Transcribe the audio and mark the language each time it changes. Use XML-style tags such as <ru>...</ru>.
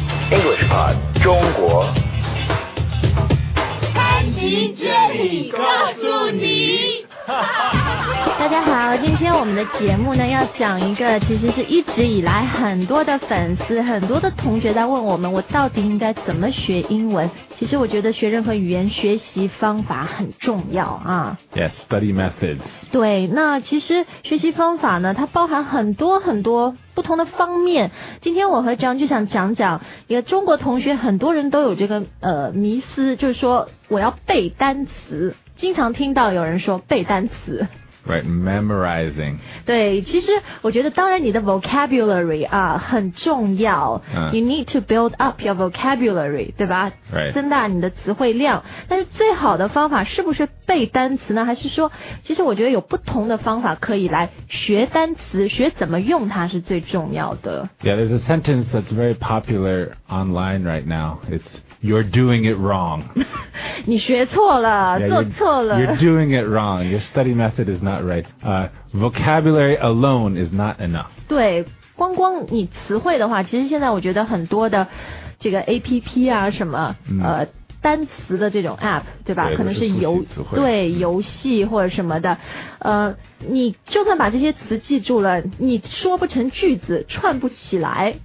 <zh>English Pod 中国。潘吉这里告诉你。大家好，今天我们的节目呢要讲一个，其实是一直以来很多的粉丝很多的同学在问我们，我到底应该怎么学英文。其实我觉得学任何语言学习方法很重要啊。</zh> <en>Yes, study methods.</en> <zh>对，那其实学习方法呢它包含很多很多不同的方面。今天我和张就想讲讲一个中国同学很多人都有这个迷思，就是说我要背单词，经常听到有人说背单词。</zh> <en>Right, memorizing.</en> <zh>对，其实我觉得当然你的 vocabulary 啊很重要。</zh> <en>You need to build up your vocabulary,</en> <zh>对吧？</zh> <en>Right.</en> <zh>增大你的词汇量。但是最好的方法是不是背单词呢？还是说，其实我觉得有不同的方法可以来学单词，学怎么用它是最重要的。</zh> <en>Yeah, there's a sentence that's very popular online right now. It's, you're doing it wrong.</en> <zh>你学错了</zh> <en>yeah,</en> <zh>做错了。</zh> <en>You're doing it wrong. Your study method is not right. Vocabulary alone is not enough.</en> <zh>对，光光你词汇的话，其实现在我觉得很多的这个 APP 啊什么、mm. 单词的这种 app 对吧，对，可能是游词汇，对、嗯、游戏或者什么的，你就算把这些词记住了，你说不成句子，串不起来。</zh>